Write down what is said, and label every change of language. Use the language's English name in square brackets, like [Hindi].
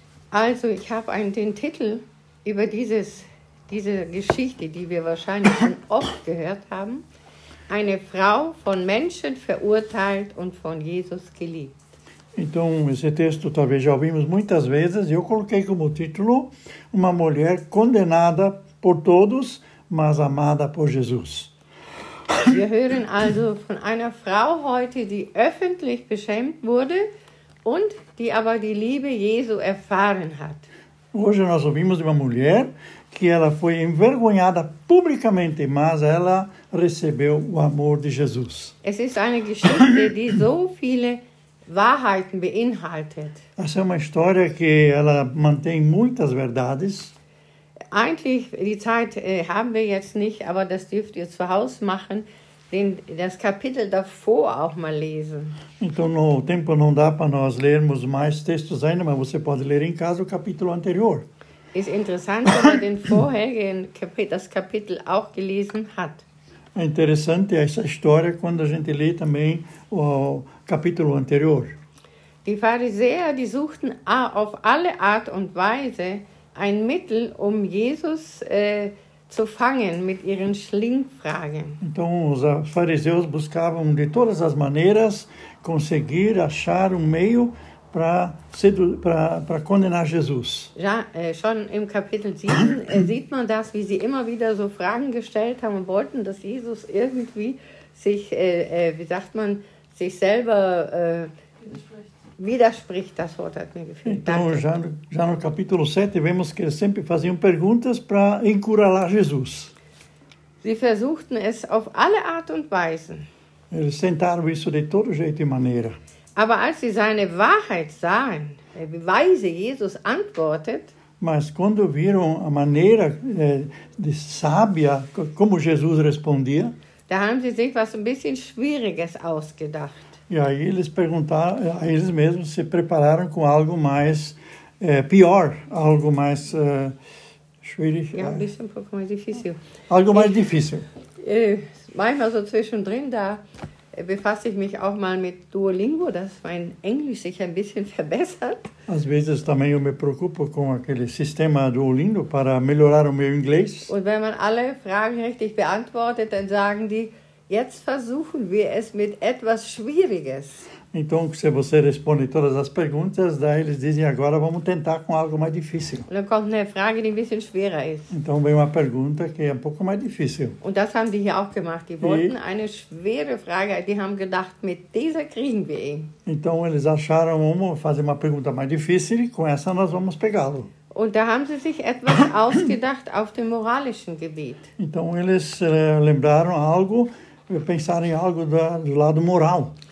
[German] Also, ich habe den Titel über diese Geschichte, die wir wahrscheinlich schon oft gehört haben: Eine Frau von Menschen verurteilt und von Jesus geliebt. [Portuguese] Então, esse texto talvez já ouvimos muitas vezes, e eu coloquei como título: Uma mulher condenada por todos, mas amada por Jesus. [German] Wir hören also von einer Frau heute, die öffentlich beschämt wurde und die aber die Liebe Jesu erfahren hat. [Portuguese] Hoje nós ouvimos de uma mulher que ela foi envergonhada publicamente, mas ela recebeu o amor de Jesus. [German] Es ist eine Geschichte, die so viele Wahrheiten beinhaltet. [Portuguese] Essa é uma história que ela mantém muitas verdades. [German] Eigentlich, die Zeit haben wir jetzt nicht, aber das dürft ihr zu Hause machen, den, das Kapitel davor auch mal lesen. [Portuguese] Então, no tempo não dá para nós lermos mais textos ainda, mas você pode ler em casa o capítulo anterior. [German] Ist interessant, dass er den vorherigen das Kapitel auch gelesen hat. [Portuguese] É interessante essa história quando a gente lê também o capítulo anterior. [German] Die Pharisäer, die suchten auf alle Art und Weise ein Mittel, um Jesus zu fangen mit ihren Schlingfragen. [Portuguese] Então os fariseus buscavam de todas as maneiras conseguir achar meio para condenar Jesus. [German] Já, schon im Kapitel 7 sieht man das, wie sie immer wieder so Fragen gestellt haben und wollten, dass Jesus irgendwie sich, wie sagt man, sich selber widerspricht, das Wort hat mir gefühlt. [Portuguese] Então, já no capítulo 7, vemos que eles sempre faziam perguntas para encurralar Jesus. [German] Sie versuchten es auf alle Art und Weise. [Portuguese] Eles tentaram isso de todo jeito e maneira. [German] Aber als sie seine Wahrheit sahen, wie weise Jesus antwortet, [Portuguese] mas quando viram a maneira de sábia como Jesus respondia, [German] da haben sie sich was ein bisschen Schwieriges ausgedacht. [Portuguese] E aí eles perguntaram, aí eles mesmos se prepararam com algo mais pior, algo mais [German] schwierig. Ja, ein bisschen [Portuguese] difícil. Algo mais difícil. [German] Manchmal so zwischendrin da befasse ich mich auch mal mit Duolingo, dass mein Englisch sich ein bisschen verbessert. [Portuguese] Às vezes também eu me preocupo com aquele sistema Duolingo para melhorar o meu inglês. [German] Und wenn man alle Fragen richtig beantwortet, dann sagen die, jetzt versuchen wir es mit etwas Schwieriges. [Portuguese] Então, se você responde todas as perguntas, daí eles dizem, agora vamos tentar com algo mais difícil. [German] Und dann kommt eine Frage, die ein bisschen schwerer ist. [Portuguese] Então, vem uma pergunta que é um pouco mais difícil. [German] Und das haben die hier auch gemacht. Die wollten eine schwere Frage, die haben gedacht, mit dieser kriegen wir ihn. [Portuguese] Então, eles acharam, vamos fazer uma pergunta mais difícil e com essa nós vamos pegá-lo. [German] Und da haben sie sich etwas ausgedacht auf dem moralischen Gebiet. [Portuguese] Então, eles lembraram algo, pensaram em algo do lado moral.